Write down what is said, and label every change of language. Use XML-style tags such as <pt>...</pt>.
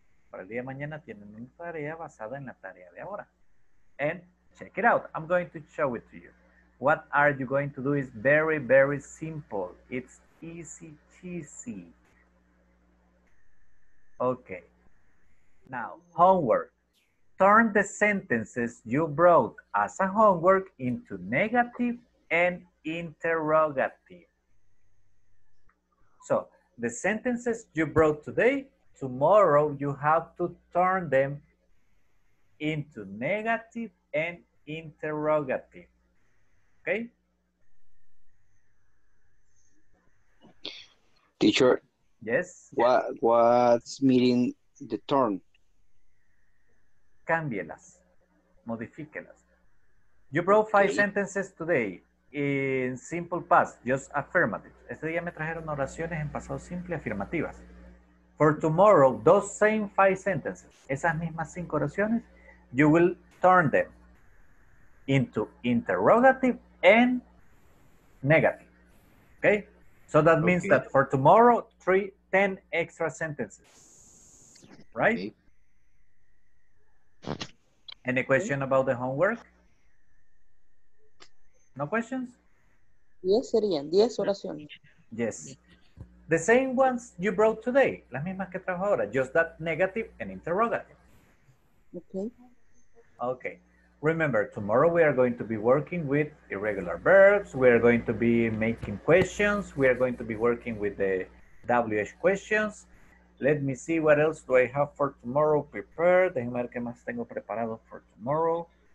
<es>Para el día de mañana tienen una tarea basada en la tarea de ahora.</es> <en>And check it out. I'm going to show it to you. What are you going to do is very, very simple. It's easy cheesy. Okay. Now, homework. Turn the sentences you brought as a homework into negative and interrogative. So, the sentences you brought today, tomorrow you have to turn them into negative and interrogative. Okay? Teacher. Yes? What's meaning the turn?</en> <es>Cámbielas. Modifíquelas.</es> <en>You brought five sentences today in simple past, just affirmative.</en> <es>Este día me trajeron oraciones en pasado simple afirmativas.</es> <en>For tomorrow, those same five sentences,</en> <es>esas mismas cinco oraciones,</es> <en>you will turn them into interrogative and negative. Okay? So that means that for tomorrow, 10 extra sentences. Right? Okay. Any question about the homework? No questions?</en> <es>Yes, serían 10 oraciones.</es> <en>Yes. The same ones you brought today.</en> <es>Las mismas que trajo ahora.</es> <en>Just that negative and interrogative. Okay. Okay. Remember, tomorrow we are going to be working with irregular verbs. We are going to be making questions. We are going to be working with the WH questions. Let me see what else do I have for tomorrow prepared.</en> <es>Déjenme ver qué más tengo preparado</es> <en>for tomorrow.</en>